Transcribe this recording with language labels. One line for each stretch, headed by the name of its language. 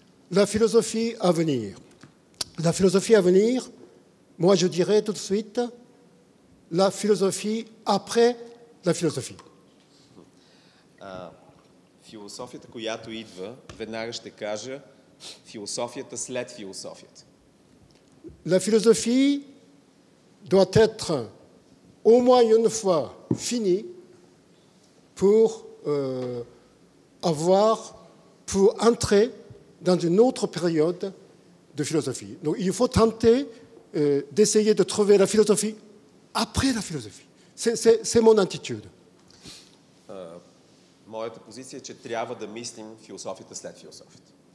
French: La philosophie à venir, moi je dirais tout de suite la philosophie après la philosophie.
Bulgarian: Философията, която идва, веднага ще кажа философията след философията.
French: La philosophie doit être au moins une fois finie pour avoir, pour entrer dans une autre période de philosophie. Donc il faut tenter d'essayer de trouver la philosophie après la philosophie. C'est mon attitude.
Bulgarian: Моята позиция е, че трябва да мислим философията след философията.